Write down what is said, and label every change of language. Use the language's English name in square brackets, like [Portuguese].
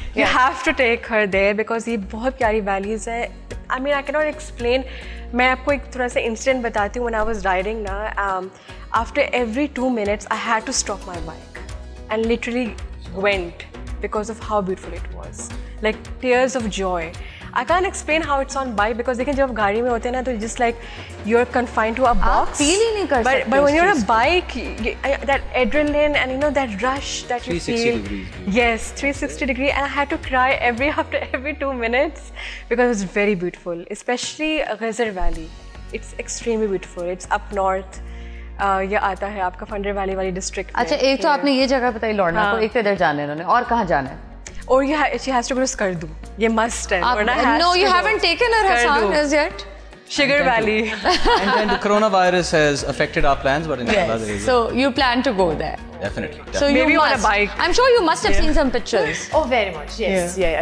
[English] you have to take her there because [Hindi] ये बहुत प्यारी वैलीज है। [English] I mean I cannot explain, [Hindi] मैं आपको एक थोड़ा सा इंसिडेंट बताती हूँ। [English] When I was riding ना, after every 2 minutes I had to stop my bike and literally went because of how beautiful it was, like tears of joy. I can't explain how it's on bike because [Hindi] देखें जब आप गाड़ी में होते हैं ना तो [English] just like you're confined to a box, [Hindi] feel ही नहीं कर सकते, [English] but when you're on a bike that adrenaline and you know that rush that you feel, 360 degrees, and I had to cry every 2 minutes because it's very beautiful, especially Ghazar Valley, it's extremely beautiful, it's up north, [Hindi] ये आता है आपका funder valley वाली district. अच्छा एक तो आपने ये जगह बताई लौड़ना को, एक तो इधर जाने उन्होंने और कहाँ जाना है? [English] Or you she has to go to Skardu. [Hindi] Ye must hai. [English] No, you haven't taken her Hasan as yet. Sugar Valley. And then the coronavirus has affected our plans, but in another area. So you plan to go there. Definitely. So maybe on a bike. I'm sure you must have seen some pictures. Oh, very much. Yes. Yeah.